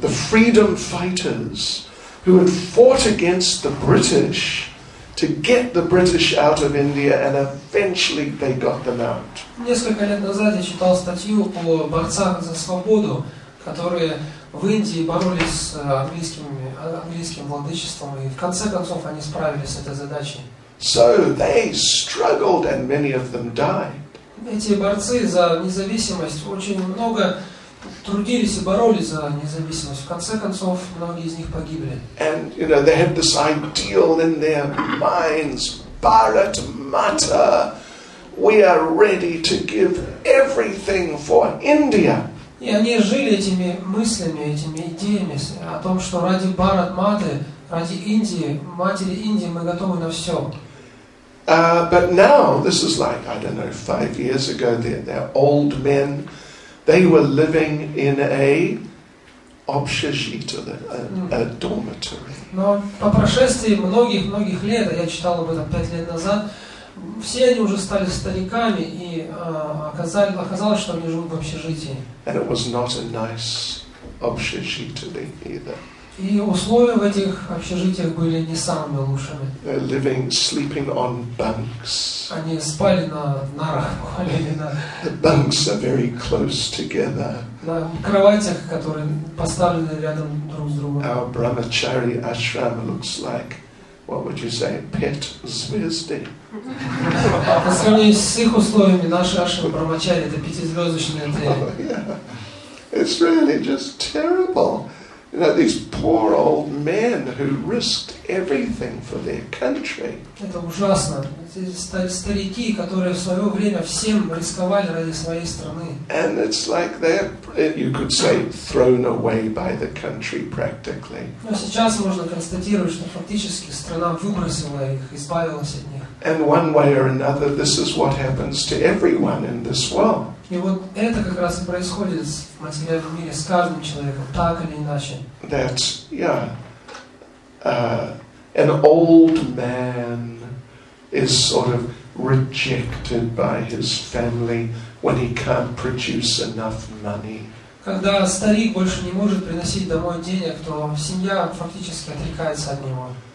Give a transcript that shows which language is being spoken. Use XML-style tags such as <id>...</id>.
<en>The freedom fighters who had fought against the British to get the British out of India, and eventually they got them out.</en> <ru>Несколько лет назад я читал статью о борцах за свободу, которые в Индии боролись с английским владычеством, и в конце концов они справились с этой задачей.</ru> <en>So they struggled, and many of them died.</en> <ru>Эти борцы за независимость очень много трудились и боролись за независимость. В конце концов, многие из них погибли.</ru> <en>And you know, they had this ideal in their minds: Bharat Mata, we are ready to give everything for India.</en> <ru>И они жили этими мыслями, этими идеями о том, что ради Bharat Mata, ради Индии, матери Индии, мы готовы на все.</ru> <en>But now, this is like, I don't know, 5 years ago, they're old men. They were living in a obshishita, a dormitory.</en> <ru>Но по прошествии многих лет, я читал об этом 5 лет назад, все они уже стали стариками, и оказалось, что они живут в общежитии.</ru> <en>And it was not a nice obshishita either.</en> <ru>И условия в этих общежитиях были не самыми лучшими.</ru> <en>They're living, sleeping on bunks.</en> <ru>Они спали на нарах, спали на.</ru> <en>The bunks are very close together.</en> <ru>На кроватях, которые поставлены рядом друг с другом.</ru> <en>Our brahmachari ashram looks like what would you say,</en> <ru>pet zvezdy. По сравнению с их условиями, наши ашрамы брахмачари — это пятизвездочные отели.</ru> <en>It's really just terrible. You know, these poor old men who risked everything for their country.</en> <ru>Это ужасно. Эти старики, которые в свое время всем рисковали ради своей страны.</ru> <en>And it's like they're, you could say, thrown away by the country practically.</en> <ru>Но сейчас можно констатировать, что фактически страна выбросила их, избавилась от них.</ru> <en>And one way or another, this is what happens to everyone in this world.</en> <ru>И вот это как раз и происходит в материальном мире с каждым человеком, так или иначе.</ru> <en>That, yeah, an old man is sort of rejected by his family when he can't produce enough money.</en> <ru>Когда старик больше не может приносить домой денег, то семья фактически отрекается от него.</ru>